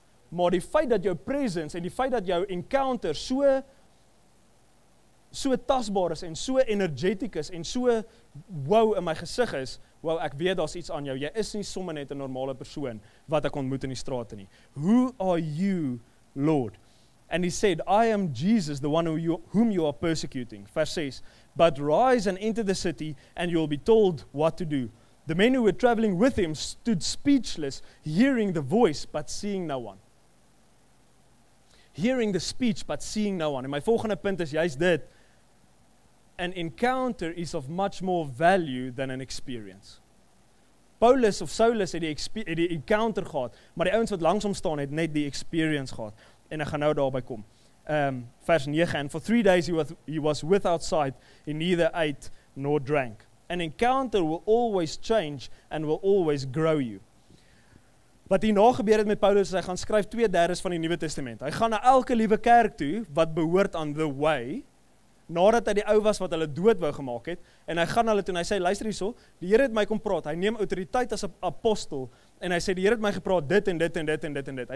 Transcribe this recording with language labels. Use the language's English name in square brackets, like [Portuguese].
[Afrikaans] Maar die feit dat jou presence en die feit dat jou encounter so tasbaar is en so energetic is en so wow in my gesig is, wow, ek weet daar's iets aan jou. Jy is nie sommer net 'n normale persoon wat ek ontmoet in die strate nie. [English] Who are you, Lord? And he said, "I am Jesus, the one whom you are persecuting." Verse 6, "But rise and enter the city and you will be told what to do." The men who were traveling with him stood speechless, hearing the voice but seeing no one. Hearing the speech but seeing no one. [Afrikaans] En my volgende punt is juist dit. [English] An encounter is of much more value than an experience. [Afrikaans] Paulus of Saulus het die encounter gehad, maar die ouens wat langs hom staan het net die experience gehad. En ek gaan nou daarby kom. Vers 9, [English] "And for 3 days he was without sight, he neither ate nor drank." An encounter will always change and will always grow you. [Afrikaans] Wat hierna gebeur het met Paulus, is hy gaan skryf 2/3 van die Nuwe Testament. Hy gaan na elke liewe kerk toe, wat behoort aan the way, nadat hy die ou was wat hulle dood wou gemaak het, en hy gaan hulle toe en hy sê, "Luister hierso, die Here het my kom praat, hy neem autoriteit as 'n apostel, en hy sê, die Here het my gepraat, dit en dit en dit en dit en dit."